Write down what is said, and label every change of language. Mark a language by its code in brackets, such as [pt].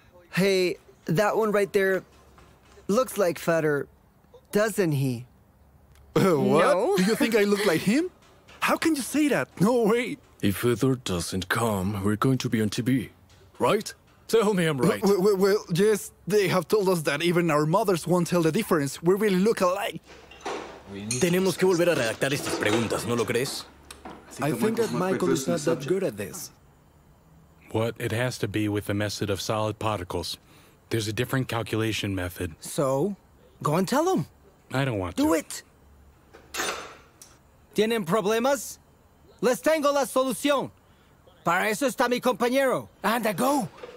[en] Hey, that one right there looks like Federer, doesn't he? What? No. Do you think I look like him? How can you say that? No way. If Federer doesn't come, we're going to be on TV, right? Tell me I'm right. Well, yes, they have told us that even our mothers won't tell the difference. We really look alike. [es] Tenemos que volver a redactar estas preguntas, ¿no lo crees? [en] I think that Michael is not that good at this. What? It has to be with the method of solid particles. There's a different calculation method. So? Go and tell him. I don't want to. Do it! [es] ¿Tienen problemas? Les tengo la solución. Para eso está mi compañero. Anda, go!